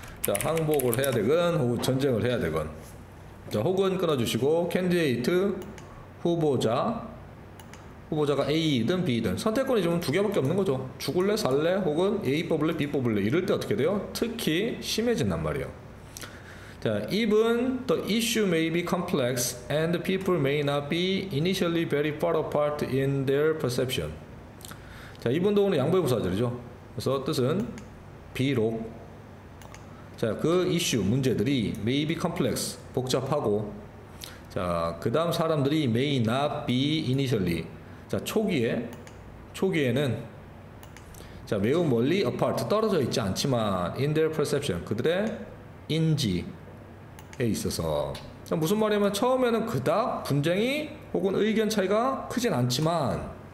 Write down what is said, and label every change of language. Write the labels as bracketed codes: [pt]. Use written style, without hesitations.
[ko] 자, 항복을 해야 되건 혹은 전쟁을 해야 되건. 자, 혹은 끊어주시고 캔디데이트 후보자, 후보자가 A이든 B이든 선택권이 지금 두 개밖에 없는 거죠. 죽을래 살래 혹은 A 뽑을래 B 뽑을래 이럴 때 어떻게 돼요? 특히 심해진단 말이에요. [en] 자, even the issue may be complex and people may not be initially very far apart in their perception. [ko] 자, 이분도 오늘 양보의 부사절이죠. 그래서 뜻은 비록 자, 그 이슈 문제들이 [en] may be complex [ko] 복잡하고 자, 그 다음 사람들이 [en] may not be initially [ko] 자, 초기에는 자, 매우 멀리 apart 떨어져 있지 않지만 [en] in their perception [ko] 그들의 인지 에 있어서 무슨 말이냐면 처음에는 그닥 분쟁이 혹은 의견 차이가 크진 않지만